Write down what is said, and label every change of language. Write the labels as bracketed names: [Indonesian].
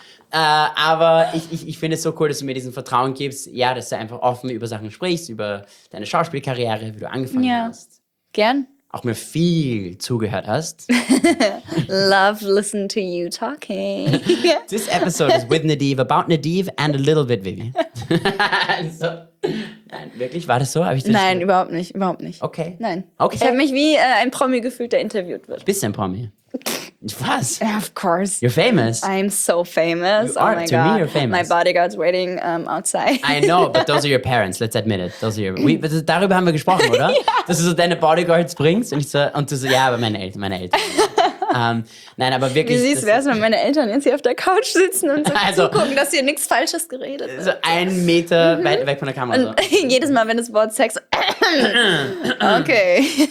[German] Aber ich finde es so cool, dass du mir diesen Vertrauen gibst, ja, dass du einfach offen über Sachen sprichst, über deine Schauspielkarriere, wie du angefangen hast. Gern. Auch mir viel zugehört hast. [English] Love listen to you talking. This episode is with Nadeve, about Nadeve and a little bit Vivi. [German] So. Nein, wirklich? War das so? Habe ich das Nein, überhaupt nicht. Okay. Nein. Okay. Ich habe mich wie ein Promi gefühlt, der interviewt wird. Bist du ein Promi? Was? [English] Of course. You're famous. I'm so famous. You are. Oh my to God. Me, you're famous. My bodyguard's waiting outside. I know, but those are your parents. Let's admit it. Those are your. [German] Darüber haben wir gesprochen, oder? Dass du so deine Bodyguards bringst und du so, ja, aber meine Eltern. Nein, aber wirklich. Wie siehst du, wenn meine Eltern jetzt hier auf der Couch sitzen und so also, gucken, dass hier nichts Falsches geredet wird? So 1 Meter weit weg von der Kamera. Und so. Jedes Mal, wenn das Wort Sex. Okay.